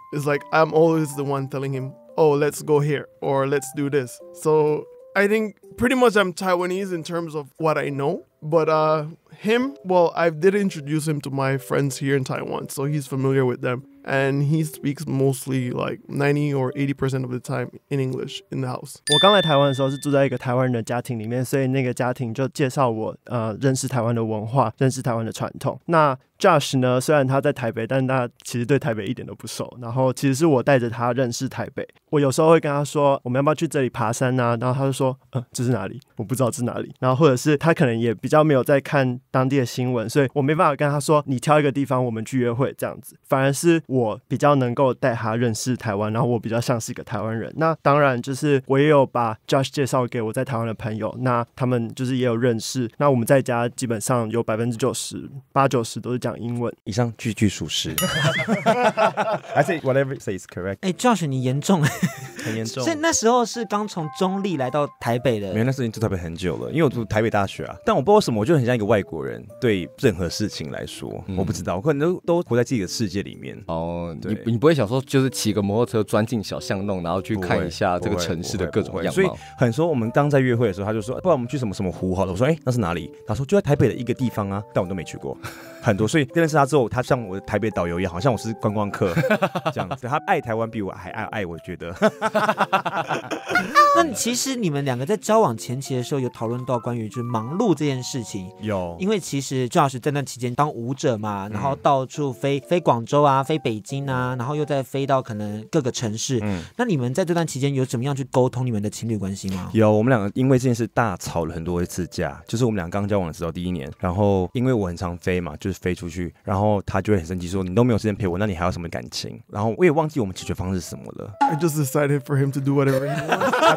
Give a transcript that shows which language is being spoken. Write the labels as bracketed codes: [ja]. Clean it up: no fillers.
[en] It's like, I'm always the one telling him, oh, let's go here or let's do this. So I think pretty much I'm Taiwanese in terms of what I know. But him, well, I did introduce him to my friends here in Taiwan. So he's familiar with them. And he speaks mostly like 90 or 80% of the time in English in the house. [zh] 我刚来台湾的时候是住在一个台湾人的家庭里面，所以那个家庭就介绍我认识台湾的文化，认识台湾的传统。那Josh 呢，虽然他在台北，但他其实对台北一点都不熟，然后其实是我带着他认识台北。我有时候会跟他说我们要不要去这里爬山啊，然后他就说这是哪里，我不知道这是哪里。然后或者是他可能也比较没有在看当地的新闻，所以我没办法跟他说你挑一个地方我们去约会这样子，反而是我比较能够带他认识台湾，然后我比较像是一个台湾人。那当然就是我也有把 Josh 介绍给我在台湾的朋友，那他们就是也有认识，那我们在家基本上有 90% 80-90% 都是讲英文，以上句句属实。 [en] I say whatever you say is correct. [zh] Josh 你严重很严重。所以那时候是刚从中立来到台北的。没有，那时候已经住台北很久了，因为我读台北大学啊。但我不知道为什么，我就很像一个外国人，对任何事情来说，我不知道，我可能都活在自己的世界里面。哦，对，你不会想说，就是骑个摩托车钻进小巷弄，然后去看一下这个城市的各种样貌。所以很说我们刚在约会的时候，他就说，不然我们去什么什么湖好了。我说，哎，那是哪里？他说就在台北的一个地方啊，但我都没去过。很多，所以认识他之后，他像我的台北导游一样，好像我是观光客这样子。他爱台湾比我还爱我觉得。那其实你们两个在交往前期的时候，有讨论到关于就是忙碌这件事情？有，因为其实周老师在那期间当舞者嘛，然后到处飞、飞广州啊，飞北京啊，然后又再飞到可能各个城市。那你们在这段期间有怎么样去沟通你们的情侣关系吗？有，我们两个因为这件事大吵了很多一次架，就是我们俩刚交往的时候第一年，然后因为我很常飞嘛。就是飞出去，然后他就会很生气说，你都没有时间陪我，那你还有什么感情？然后我也忘记我们解决方式是什么了。 [en] I just decided for him to do whatever he wants.